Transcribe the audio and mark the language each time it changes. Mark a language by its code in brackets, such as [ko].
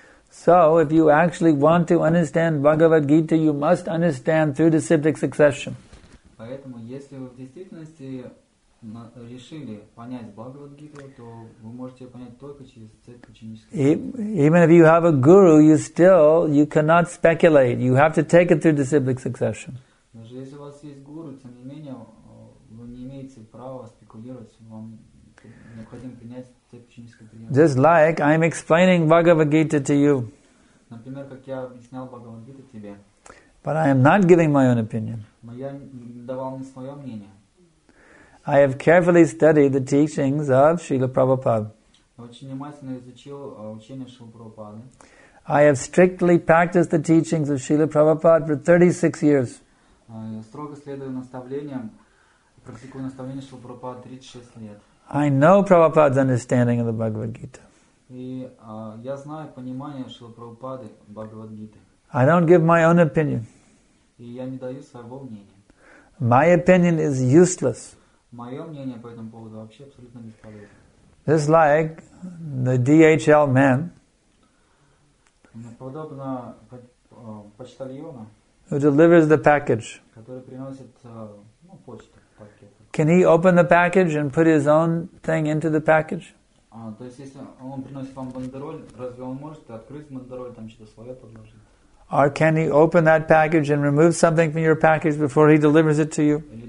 [en] So, if you actually want to understand Bhagavad Gita, you must understand through disciplic succession. [ru] Поэтому, если вы в действительности решили понять Бхагавад-гиту, то вы можете ее понять только через цепь ученической. [en] Even if you have a guru, you cannot speculate. You have to take it through disciplic succession. [ru] Даже если у вас есть гуру, тем не менее, вы не имеете права спекулировать. Вам необходимо принять цепь ученической приемы. [en] Just like I'm explaining Bhagavad-гиту to you. [ru] Например, как я объяснял Бхагавад-гиту тебе. [en] But I am not giving my own opinion. [ru] Но я давал не свое мнение. [en] I have carefully studied the teachings of Srila Prabhupada. [ru] Очень внимательно изучил учение Шрилы Прабхупады. [en] I have strictly practiced the teachings of Srila Prabhupada for 36 years. [ru] Строго следую наставлениям, практикую наставления Шрилы Прабхупады 36 лет. [en] I know Prabhupada's understanding of the Bhagavad Gita. [ru] И я знаю понимание Шрилы Прабхупады Бхагавад Гиты. [en] I don't give my own opinion. [ru] И я не даю своего мнения. [en] My opinion is useless. [ru] Мое мнение по этому поводу вообще абсолютно бесполезно. [en] It's like the DHL man. [ru] Подобно почтальону. [en] Who delivers the package. [ru] Который приносит почту, пакет. [en] Can he open the package and put his own thing into the package? [ru] То есть если он приносит вам бандероль, разве он может открыть бандероль, там что-то свое подложить? [en] Or can he open that package and remove something from your package before he delivers it to you?